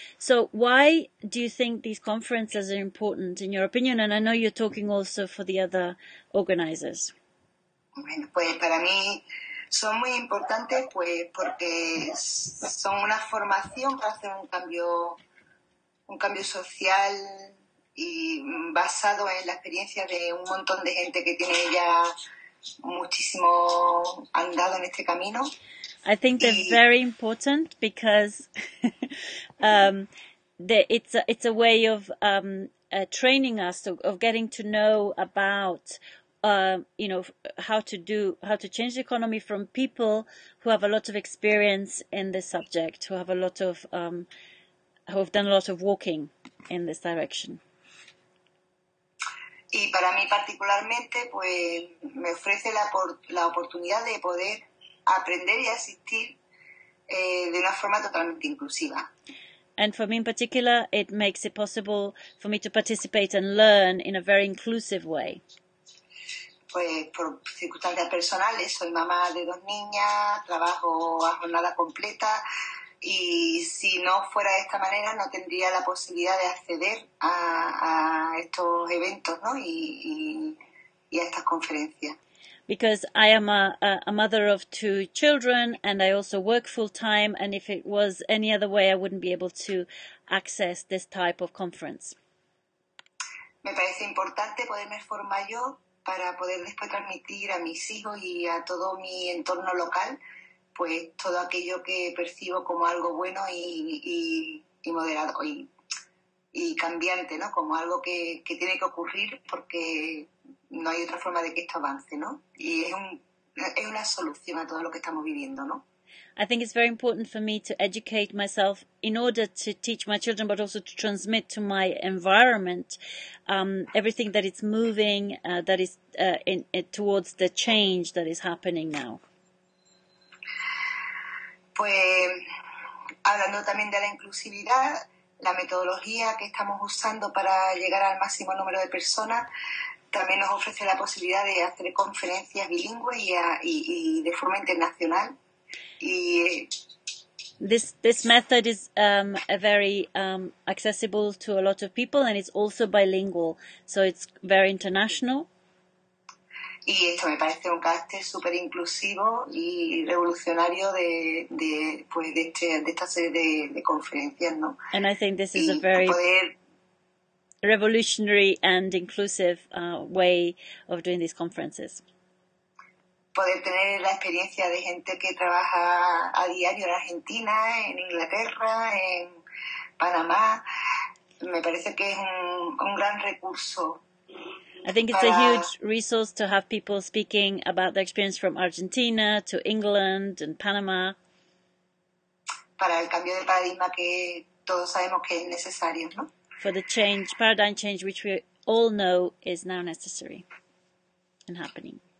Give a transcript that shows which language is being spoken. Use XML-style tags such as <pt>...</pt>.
<en>So, why do you think these conferences are important in your opinion? And I know you're talking also for the other organizers.</en> <es>Bueno, pues para mí son muy importantes, pues porque son una formación para hacer un cambio social y basado en la experiencia de un montón de gente que tiene ya muchísimo andado en este camino.</es> <en>I think they're very important because it's a way of training us of getting to know about how to change the economy from people who have a lot of experience in this subject, who have a lot of who have done a lot of walking in this direction.</en> <es>Y para mí particularmente, pues me ofrece la oportunidad de poder aprender y asistir de una forma totalmente inclusiva.</es> <en>And for me in particular, it makes it possible for me to participate and learn in a very inclusive way.</en> <es>Pues por circunstancias personales, soy mamá de dos niñas, trabajo a jornada completa y si no fuera de esta manera no tendría la posibilidad de acceder a estos eventos, ¿no? Y a estas conferencias.</es> <en>Because I am a mother of two children and I also work full time, and if it was any other way, I wouldn't be able to access this type of conference.</en> <es>Me parece importante poderme formar yo para poder después transmitir a mis hijos y a todo mi entorno local, pues todo aquello que percibo como algo bueno y moderado y cambiante, ¿no? Como algo que tiene que ocurrir porque no hay otra forma de que esto avance, ¿no? Y es una solución a todo lo que estamos viviendo, ¿no?</es> <en>I think it's very important for me to educate myself in order to teach my children, but also to transmit to my environment everything that it's moving, that is in towards the change that is happening now.</en> <es>Pues hablando también de la inclusividad, la metodología que estamos usando para llegar al máximo número de personas también nos ofrece la posibilidad de hacer conferencias bilingües y de forma internacional. Y</es> <en>This method is a very accessible to a lot of people, and it's also bilingual, so it's very international.</en> <es>Y esto me parece un carácter súper inclusivo y revolucionario de esta serie de conferencias, ¿no?</es> <en>And I think this is a very revolutionary and inclusive way of doing these conferences.</en> <es>Poder tener la experiencia de gente que trabaja a diario en Argentina, en Inglaterra, en Panamá, me parece que es un gran recurso.</es> <en>I think it's a huge resource to have people speaking about their experience from Argentina to England and Panama.</en> <es>Para el cambio de paradigma que todos sabemos que es necesario, ¿no?</es> <en>For the change, paradigm change, which we all know is now necessary and happening.</en>